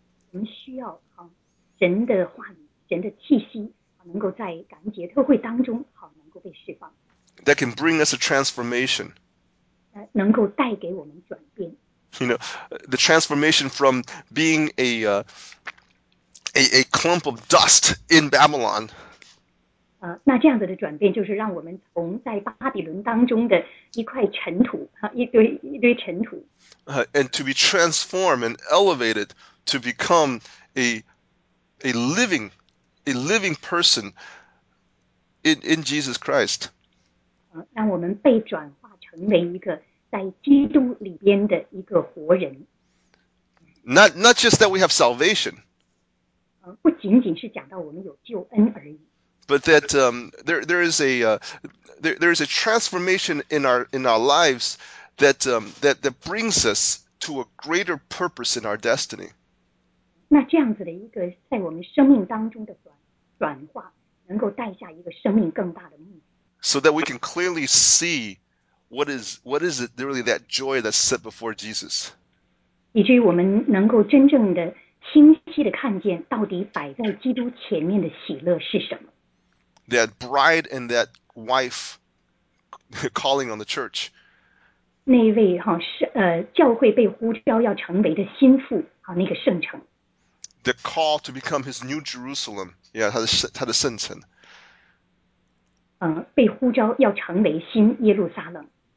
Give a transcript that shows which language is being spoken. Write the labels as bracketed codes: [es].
[zh] 我们需要神的话语，神的气息，能够在感恩节特会当中，能够被释放。 [en] That can bring us a transformation. [zh] 能够带给我们转变。 [en] You know, the transformation from being a clump of dust in Babylon. [zh] 那这样子的转变，就是让我们从在巴比伦当中的一块尘土，一堆尘土。 [en] And to be transformed and elevated. To become a living person in Jesus Christ. [zh] 让我们被转化成为一个在基督里边的一个活人。 [en] Not just that we have salvation. [zh] 不仅仅是讲到我们有救恩而已。 [en] But that there is a transformation in our lives that brings us to a greater purpose in our destiny. [zh] 那这样子的一个在我们生命当中的转化，能够带下一个生命更大的目的。 [en] So that we can clearly see what is it really that joy that's set before Jesus. [zh] 以至于我们能够真正的清晰的看见，到底摆在基督前面的喜乐是什么。 [en] That bride and that wife calling on the church. [zh] 那一位教会被呼召要成为的心腹那个圣城。 [en] The call to become his new Jerusalem, yeah, [zh] 他的圣城。被呼召要成为新耶路撒冷。